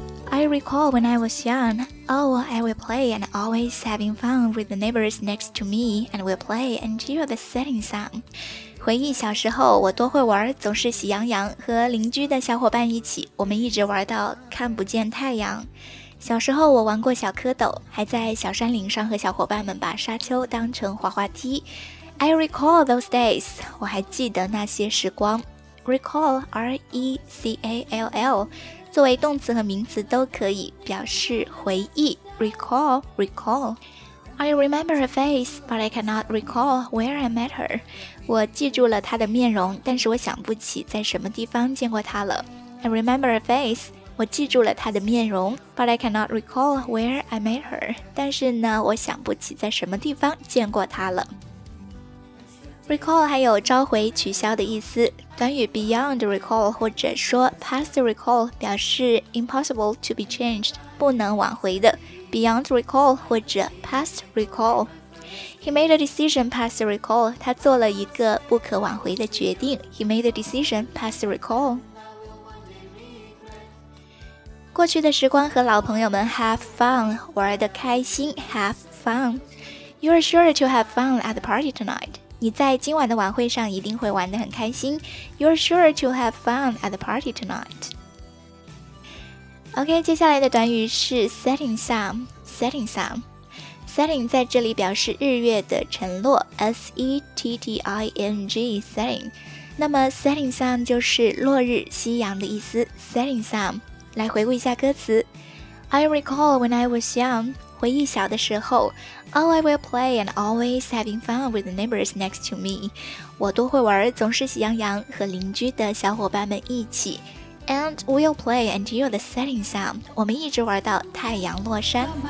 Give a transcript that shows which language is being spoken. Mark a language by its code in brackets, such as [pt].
[en] I recall when I was young, oh, I would play and always having fun with the neighbors next to me, and we'll play until the setting sun. [zh] 回忆小时候我多会玩，总是喜羊羊和邻居的小伙伴一起，我们一直玩到看不见太阳。小时候我玩过小蝌蚪，还在小山岭上和小伙伴们把沙丘当成滑滑梯。 [en] I recall those days， [zh] 我还记得那些时光。 Recall， R-E-C-A-L-L， 作为动词和名词都可以，表示回忆。 Recall， recall。 [en] I remember her face, but I cannot recall where I met her. [zh] 我记住了她的面容，但是我想不起在什么地方见过她了。 [en] I remember her face, [zh] 我记住了她的面容， [en] but I cannot recall where I met her. [zh] 但是呢，我想不起在什么地方见过她了。 Recall 还有召回、取消的意思。短语 beyond recall 或者说 past recall 表示 [en] impossible to be changed， [zh] 不能挽回的。 [en] Beyond recall 或者 past recall， He made a decision past recall， [zh] 他做了一个不可挽回的决定。 [en] He made a decision past recall。 [zh] 过去的时光和老朋友们 have fun， 玩得开心。 [en] Have fun， You are sure to have fun at the party tonight， [zh] 你在今晚的晚会上一定会玩得很开心。 [en] You are sure to have fun at the party tonightOK， [zh] 接下来的短语是 [en] setting sun， setting sun， setting [zh] 在这里表示日月的沉落， [en] S-E-T-T-I-N-G， setting。 [zh] 那么 setting sun 就是落日夕阳的意思， setting sun。来回顾一下歌词。 [en] I recall when I was young， [zh] 回忆小的时候。 [en] All I will play and always having fun with the neighbors next to me， [zh] 我多会玩，总是喜羊羊和邻居的小伙伴们一起。 [en] And we'll play until the setting sun， [zh] 我们一直玩到太阳落山。